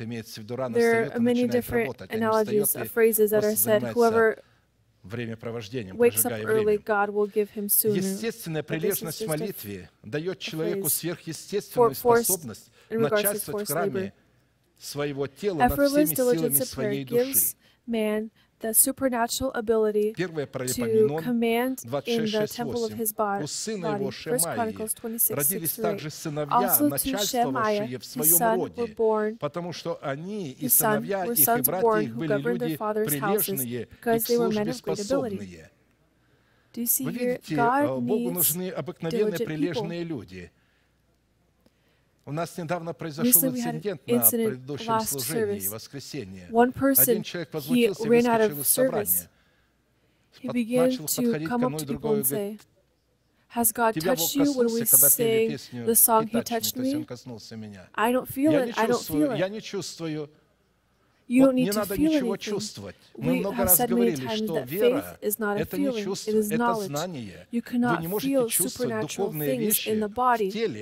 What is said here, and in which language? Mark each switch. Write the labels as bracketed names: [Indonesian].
[Russian] Имеется в виду, рано встает, он начинает работать, а не встает и просто занимается времяпровождением, прожигая время. Естественная прилежность в молитве дает человеку сверхъестественную способность начальствовать в храме своего тела над всеми силами своей души. [English] the supernatural ability to command in the temple of his body. First Chronicles 26:6-8. Also to Shemaiah, his son, were born. His son were sons born who governed their father's houses because they were men of great ability. Do you see [Russian] Вы [English] here? [Russian] Видите, [English] God [Russian] Богу нужны обыкновенные, прилежные люди. У нас недавно произошел инцидент на предыдущем служении, воскресение. Один человек возмутился и выскочил из собрания. Начал подходить к одному и другому и [English] Has God touched you when we sing the song He touched me? I don't feel it. I don't feel it. You don't need to feel anything. We have said many times that faith is not a feeling. It is knowledge. You cannot feel supernatural things in the body.